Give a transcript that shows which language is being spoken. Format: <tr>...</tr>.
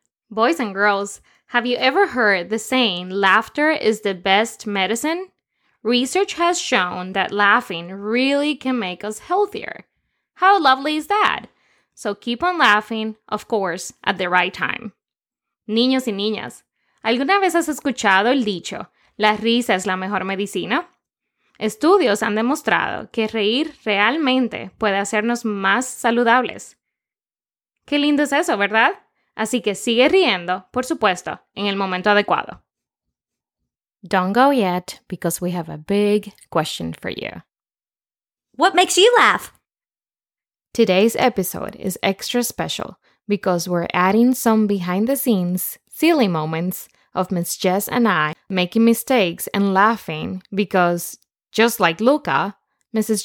<en>Boys and girls, have you ever heard the saying, "Laughter is the best medicine"? Research has shown that laughing really can make us healthier. How lovely is that? So keep on laughing, of course, at the right time.</en> <es>Niños y niñas, ¿alguna vez has escuchado el dicho, la risa es la mejor medicina? Estudios han demostrado que reír realmente puede hacernos más saludables. Qué lindo es eso, ¿verdad? Así que sigue riendo, por supuesto, en el momento adecuado.</es> <en>Don't go yet, because we have a big question for you. What makes you laugh? Today's episode is extra special because we're adding some behind-the-scenes, silly moments of Miss Jess and I making mistakes and laughing because, just like Luca, Mrs.</en>